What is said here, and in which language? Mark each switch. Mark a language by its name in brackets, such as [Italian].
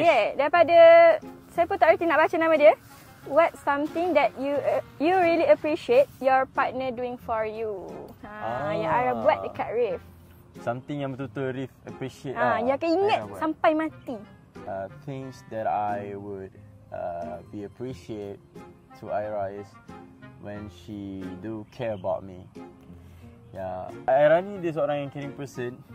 [Malay] Okay, daripada saya pun tak reti nak baca nama dia. [English] What something that you really appreciate your partner doing for you? [Malay] Yang Aira buat dekat Reef. Something yang betul-betul Reef appreciate. Yang akan ingat sampai mati. [English] Things that I would be appreciate to Aira is when she do care about me. [Malay] Yeah, Aira ni dia seorang yang [English] caring person.